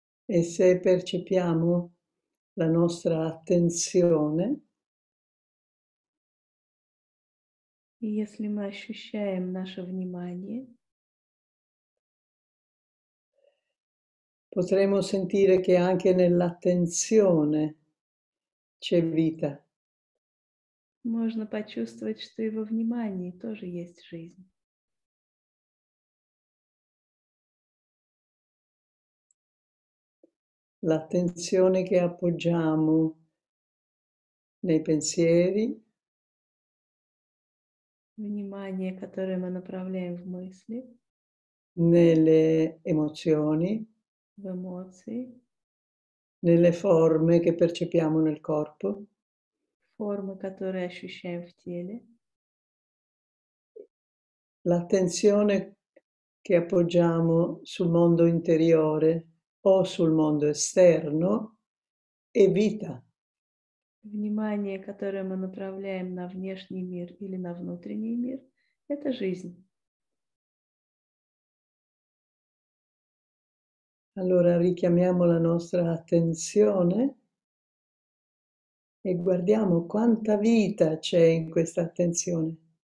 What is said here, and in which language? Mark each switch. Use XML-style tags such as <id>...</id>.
<it>E se percepiamo la nostra attenzione,</it> <ru>И если мы ощущаем наше внимание,</ru> <it>потremo sentire che anche nell'attenzione c'è vita.</it> <ru>можно почувствовать, что и во внимании тоже есть жизнь.</ru> <it>L'attenzione che appoggiamo nei pensieri,</it> <ru>Внимание, которое мы направляем в мысли,</ru> <it>nelle emozioni,</it> <ru>в эмоции,</ru> <it>nelle forme che percepiamo nel corpo,</it> <ru>формы, которые ощущаем в теле.</ru> <it>l'attenzione che appoggiamo sul mondo interiore. O sul mondo esterno e vita.</it> <ru>Внимание, которое мы направляем на внешний мир или на внутренний мир, это жизнь.</ru> <it>Allora richiamiamo la nostra attenzione e guardiamo quanta vita c'è in questa attenzione.</it>